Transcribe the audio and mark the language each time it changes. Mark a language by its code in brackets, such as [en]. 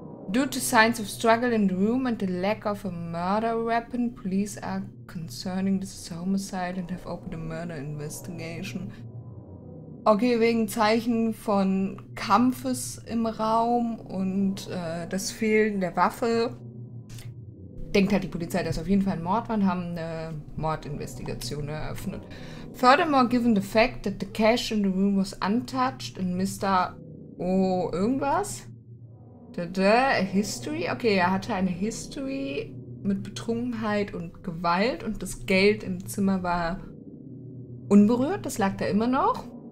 [en] Due to signs of struggle in the room and the lack of a murder weapon, police are concerning this homicide and have opened a murder investigation. [de] Okay, wegen Zeichen von Kampfes im Raum und das Fehlen der Waffe. Denkt halt die Polizei, dass auf jeden Fall ein Mord war und haben eine Mordinvestigation eröffnet. [en] Furthermore, given the fact that the cash in the room was untouched and Mr. [de] O irgendwas? [en] A history? [de] Okay, er hatte eine History mit Betrunkenheit und Gewalt und das Geld im Zimmer war unberührt, das lag da immer noch.